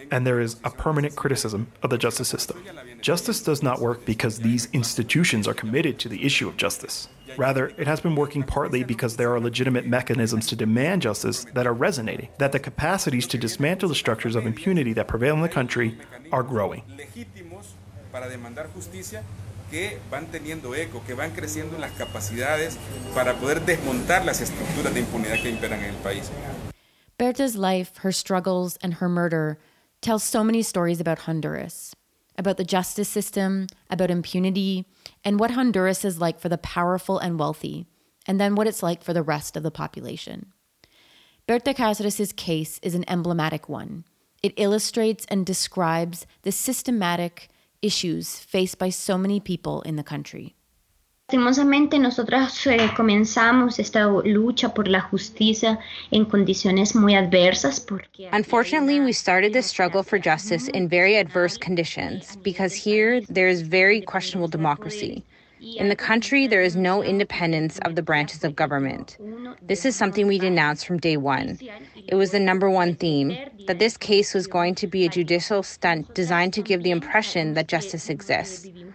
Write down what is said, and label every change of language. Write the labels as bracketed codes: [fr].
[en] And there is a permanent criticism of the justice system. Justice does not work because these institutions are committed to the issue of justice. Rather, it has been working partly because there are legitimate mechanisms to demand justice that are resonating, that the capacities to dismantle the structures of impunity that prevail in the country are growing. [es] Legítimos para demandar justicia que van teniendo eco, que van creciendo las capacidades para poder desmontar las estructuras de impunidad que imperan en el país. [en] Berta's life, her struggles, and her murder tell so many stories about Honduras, about the justice system, about impunity, and what Honduras is like for the powerful and wealthy, and then what it's like for the rest of the population. Berta Cáceres' case is an emblematic one. It illustrates and describes the systematic issues faced by so many people in the country. [es] Lastimosamente, nosotras comenzamos esta lucha por la justicia en condiciones muy adversas porque. [en] Unfortunately, we started this struggle for justice in very adverse conditions because here there is very questionable democracy. In the country, there is no independence of the branches of government. This is something we denounced from day one. It was the number one theme, that this case was going to be a judicial stunt designed to give the impression that justice exists.